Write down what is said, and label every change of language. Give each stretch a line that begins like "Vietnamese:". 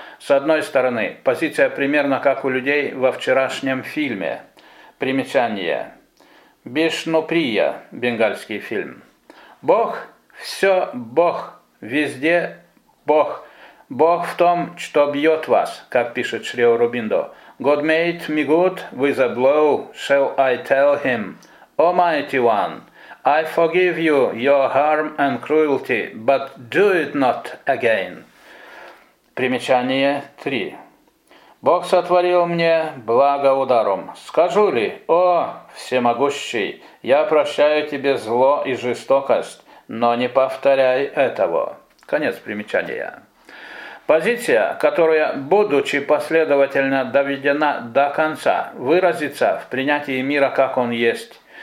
Russian: С одной стороны, позиция примерно как у людей во вчерашнем фильме. Примечание. Бишнуприя, бенгальский фильм. Бог, все Бог, везде Бог. Бог в том, что бьет вас, как пишет Шри Аурубиндо.
English: God made me good with a blow, shall I tell him? O mighty one, I forgive you your harm and cruelty, but do it not again.
Russian: Примечание 3. Бог сотворил мне благо ударом. Скажу ли, о всемогущий, я прощаю тебе зло и жестокость, но не повторяй этого. Конец примечания. Позиция, которая, будучи последовательно доведена до конца, выразится в принятии мира, как он есть.